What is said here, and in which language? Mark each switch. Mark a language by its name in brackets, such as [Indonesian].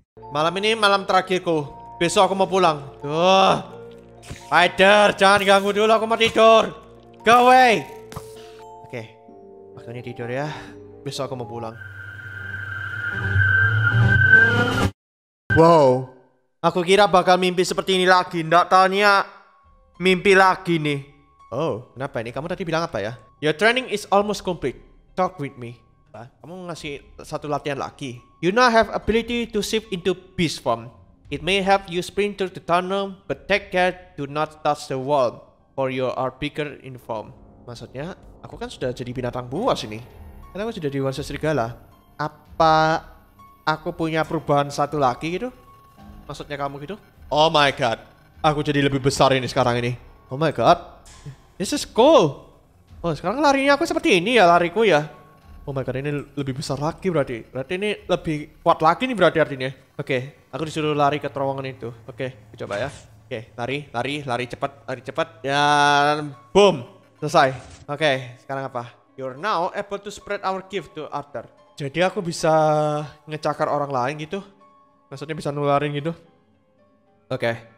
[Indonesian] Malam ini malam terakhirku. Besok aku mau pulang. Spider, jangan ganggu dulu, aku mau tidur. [English] Go away. [Indonesian] Oke, waktunya tidur ya. Besok aku mau pulang. Wow, aku kira bakal mimpi seperti ini lagi. Nggak tanya, mimpi lagi nih. Oh, kenapa ini? Kamu tadi bilang apa ya? [English] Your training is almost complete. Talk with me. [Indonesian] Kamu ngasih satu latihan lagi. [English] You now have ability to shift into beast form. It may help you sprint through the tunnel, but take care to not touch the wall for you are bigger in form. [Indonesian] Maksudnya, aku kan sudah jadi binatang buas ini. Kan aku sudah di manusia serigala. Apa aku punya perubahan satu lagi gitu? Maksudnya kamu gitu? Oh my god, aku jadi lebih besar ini sekarang ini. [English] Oh my god, this is cool. [Indonesian] Oh, sekarang larinya aku seperti ini ya, lariku ya. Oh my god, ini lebih besar lagi berarti. Berarti ini lebih kuat lagi nih berarti artinya. Oke, aku disuruh lari ke terowongan itu. Oke, coba ya. Oke, lari cepat. Dan boom, selesai. Oke, sekarang apa? [English] You're now able to spread our gift to Arthur. [Indonesian] Jadi aku bisa ngecakar orang lain gitu. Maksudnya bisa nularin gitu. Oke.